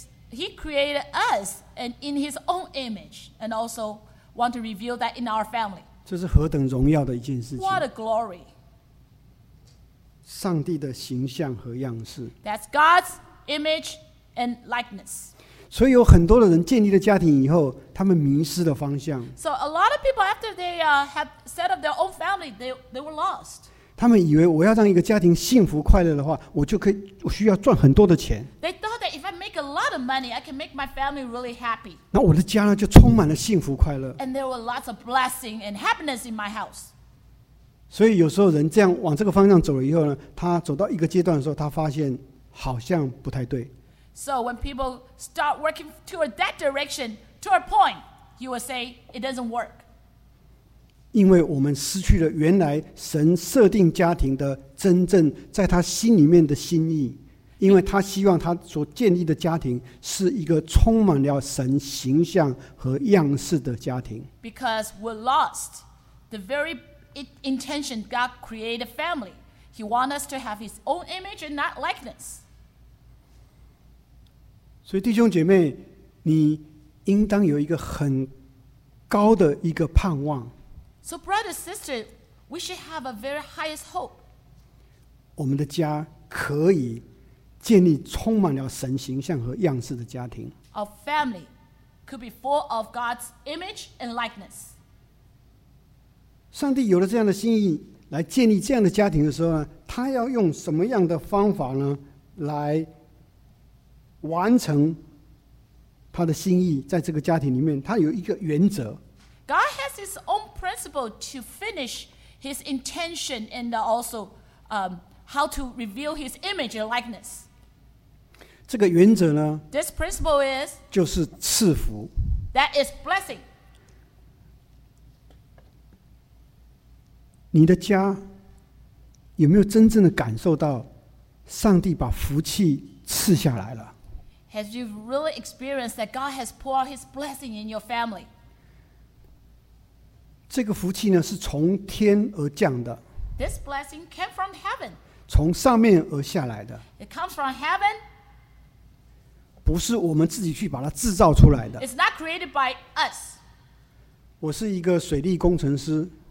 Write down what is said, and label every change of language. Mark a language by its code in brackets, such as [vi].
[en] He created us and in His own image, and also want to reveal that in our family. [zh] 这是何等荣耀的一件事情 [en] ！What a glory! [zh] 上帝的形象和样式。 [en] That's God's image and likeness. [zh] 所以有很多的人建立了家庭以后，他们迷失了方向。 [en] So a lot of people after they had set up their own family, they were lost. [zh] 他们以为我要让一个家庭幸福快乐的话，我就可以，我需要赚很多的钱。 [en] They thought that if I make a lot of money, I can make my family really happy. [zh] 那我的家呢，就充满了幸福快乐。 [en] And there were lots of blessing and happiness in my house. [zh] 所以有时候人这样往这个方向走了以后呢，他走到一个阶段的时候，他发现好像不太对。 [en] So when people start working toward that direction, to a point, you will say it doesn't work. [zh] 因为我们失去了原来神设定家庭的真正在他心里面的心意，因为他希望他所建立的家庭是一个充满了神形象和样式的家庭。 [en] Because we lost the very intention God created family. He wants us to have his own image and not likeness. [zh] 所以弟兄姐妹，你应当有一个很高的一个盼望。 [en] So brother, sister, we should have a very highest hope. [zh] 我们的家可以建立充满了神形象和样式的家庭。 [en] Our family could be full of God's image and likeness. [zh] 上帝有了这样的心意，来建立这样的家庭的时候呢，他要用什么样的方法呢，来完成他的心意，在这个家庭里面，他有一个原则。 [en] God has his own principle to finish his intention and also how to reveal his image and likeness. [zh] 这个原则呢 [en] ？This principle is [zh] 就是赐福。 [en] That is blessing. [zh] 你的家有没有真正的感受到上帝把福气赐下来了？ [en] Have you really experienced that God has poured His blessing in your family? [zh] 这个福气呢，是从天而降的。 [en] This blessing came from heaven. [zh] 从上面而下来的。 [en] It comes from heaven. [zh] 不是我们自己去把它制造出来的。 [en] It's not created by us. [zh] 我是一个水利工程师。